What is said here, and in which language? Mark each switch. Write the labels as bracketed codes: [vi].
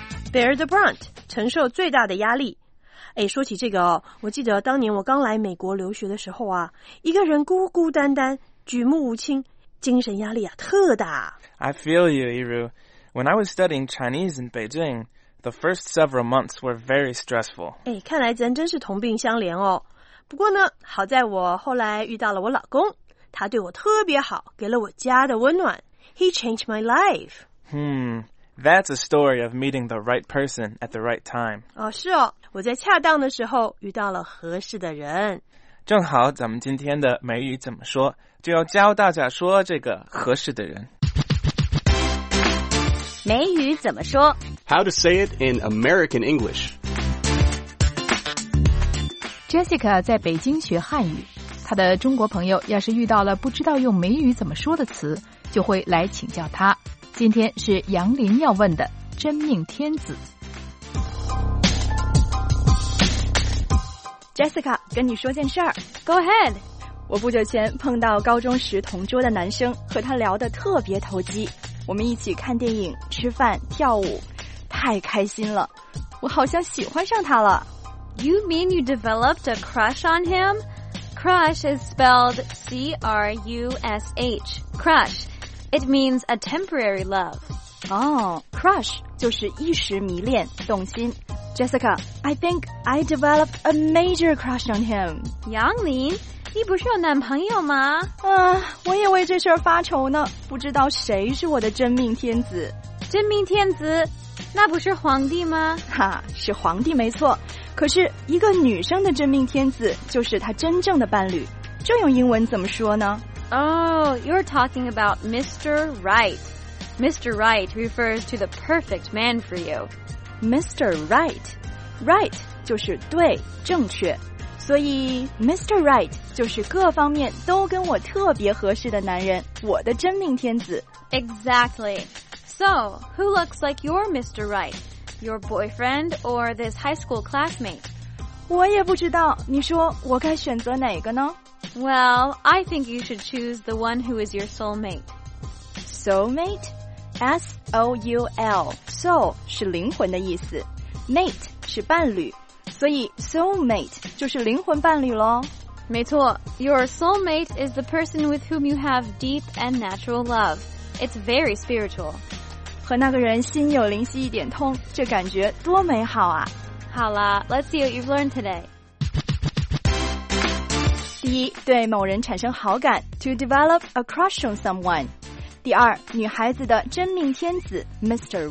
[en] Bear the brunt， [zh] 承受最大的压力。哎，说起这个哦，我记得当年我刚来美国留学的时候啊，一个人孤孤单单，举目无亲，精神压力啊特大。 [en] I feel you, Yiru. When I was studying Chinese in Beijing, the first several months were very stressful. [zh] 哎，看来咱真是同病相怜哦。不过呢，好在我后来遇到了我老公，他对我特别好，给了我家的温暖。 [en] He changed my life. That's a story of meeting the right person at the right time. [zh] 哦，是哦，我在恰当的时候遇到了合适的人。正好咱们今天的美语怎么说，就要教大家说这个合适的人。美语怎么说？ [en] How to say it in American English. [zh] Jessica 在北京学汉语，她的中国朋友要是遇到了不知道用美语怎么说的词，就会来请教她。今天是杨林要问的真命天子。 Jessica， 跟你说件事儿。 [en] Go ahead。 [zh] 我不久前碰到高中时同桌的男生，和他聊得特别投机。我们一起看电影、吃饭、跳舞，太开心了。我好像喜欢上他了。 [en] You mean you developed a crush on him? Crush is spelled C-R-U-S-H. Crush. It means a temporary love. [zh] Crush 就是一时迷恋，动心。 [en] Jessica, I think I developed a major crush on him. [zh] 杨林，你不是有男朋友吗？我也为这事儿发愁呢，不知道谁是我的真命天子。真命天子？那不是皇帝吗？哈，是皇帝没错，可是一个女生的真命天子就是她真正的伴侣，这用英文怎么说呢？ [en] You're talking about Mr. Right. Mr. Right refers to the perfect man for you. [zh] Mr. Right. Right 就是对，正确。所以 Mr. Right 就是各方面都跟我特别合适的男人，我的真命天子。 [en] Exactly. So, who looks like your Mr. Right? Your boyfriend or this high school classmate? [zh] 我也不知道，你说我该选择哪个呢？ [en] Well, I think you should choose the one who is your soulmate. [zh] Soulmate? S-O-U-L. Soul 是灵魂的意思。 Mate 是伴侣。所以 soulmate 就是灵魂伴侣咯。没错。 [en] Your soulmate is the person with whom you have deep and natural love. It's very spiritual. [zh] 和那个人心有灵犀一点通，这感觉多美好啊。好啦， [en] let's see what you've learned today. [zh] 第一，对某人产生好感 , [en] to develop a crush on someone. [zh] 第二，女孩子的真命天子 ,Mr.